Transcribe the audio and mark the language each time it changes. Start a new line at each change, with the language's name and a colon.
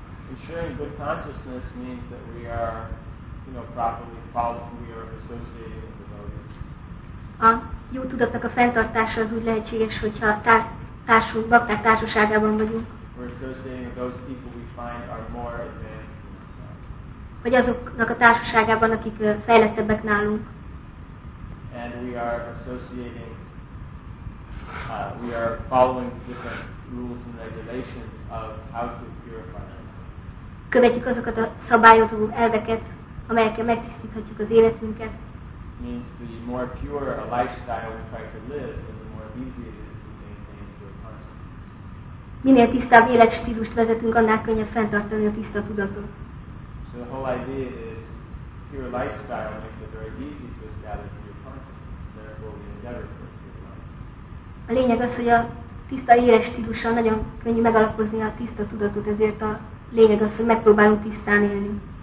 English: Ensuring good consciousness means that we are, properly following, we are associated with devotees.
Hungarian: A jó tudatnak a fenntartása az úgy lehetséges, hogyha társunk, bakták társaságában vagyunk.
English: We're associating with those people we find are more advanced than ourselves.
Hungarian: Vagy azoknak a társaságában, akik fejlettebbek nálunk.
English: And we are associating, we are following the different rules and regulations of how to purify.
Hungarian: Követjük azokat a szabályozó elveket, amelyekkel megtisztíthatjuk az életünket.
English: Means the more pure a lifestyle we try to live, then the more easy it is to maintain pure consciousness.
Hungarian: Minél tisztább életstílust vezetünk, annál könnyebb fenntartani a tiszta tudatot.
English: So the whole idea is pure lifestyle makes it very easy to establish pure consciousness. Therefore we endeavor for pure life.
Hungarian: A lényeg az, hogy a tiszta életstílussal nagyon könnyű megalapozni a tiszta tudatot, ezért a lényeg az, hogy megpróbálunk tisztán élni.